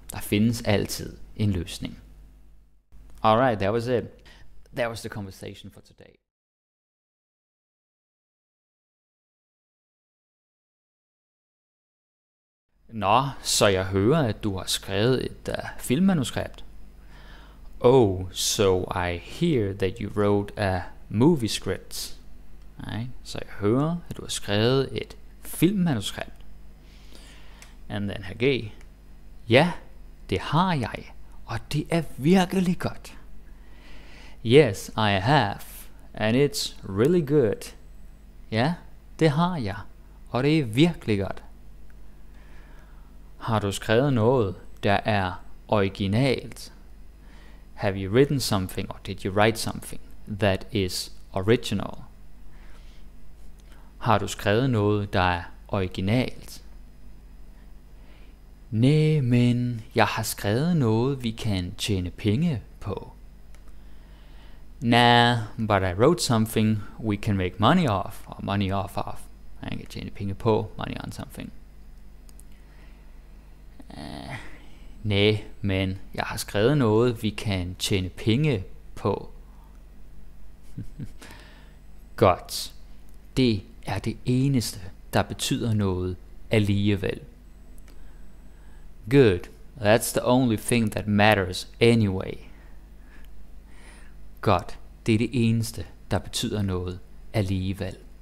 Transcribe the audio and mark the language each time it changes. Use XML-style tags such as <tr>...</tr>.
<da>Der findes altid en løsning.</da> <en>Alright, that was it. That was the conversation for today.</en> <da>Nå, så jeg hører, at du har skrevet et filmmanuskript.</da> <en>Oh, so I hear that you wrote a movie script.</en> <da>Nej, så jeg hører, at du har skrevet et filmmanuskript.</da> <en>And then HG.</en> <da>Ja, det har jeg, og det er virkelig godt.</da> <en>Yes, I have, and it's really good.</en> <da>Ja, det har jeg, og det er virkelig godt. Har du skrevet noget, der er originalt?</da> <en>Have you written something, or did you write something that is original?</en> <da>Har du skrevet noget, der er originalt? Nej, men jeg har skrevet noget, vi kan tjene penge på.</da> <en>Nah, but I wrote something we can make money off, or money off of.</en> <da>Man kan tjene penge på,</da> <en>money on something.</en> <da>Nej, men jeg har skrevet noget, vi kan tjene penge på. Godt. Det er det eneste, der betyder noget alligevel.</da> <en>Good. That's the only thing that matters anyway. Godt.</en> <da>det er det eneste, der betyder noget alligevel.</da>